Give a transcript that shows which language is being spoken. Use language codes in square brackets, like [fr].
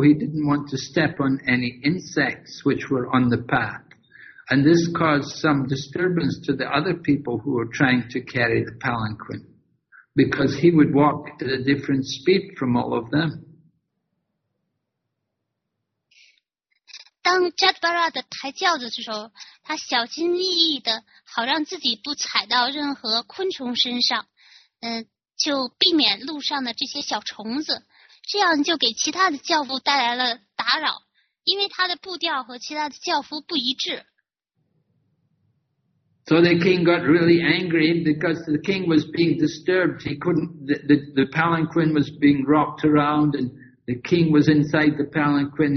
[en] He didn't want to step on any insects which were on the path. And this caused some disturbance to the other people who were trying to carry the palanquin, because he would walk at a different speed from all of them. [zh] 当 Judd Barat 抬轿子的时候，他小心翼翼的，好让自己不踩到任何昆虫身上，就避免路上的这些小虫子，这样就给其他的轿夫带来了打扰，因为他的步调和其他的轿夫不一致。 [en] So the king got really angry because the king was being disturbed. He couldn't, the palanquin was being rocked around and the king was inside the palanquin.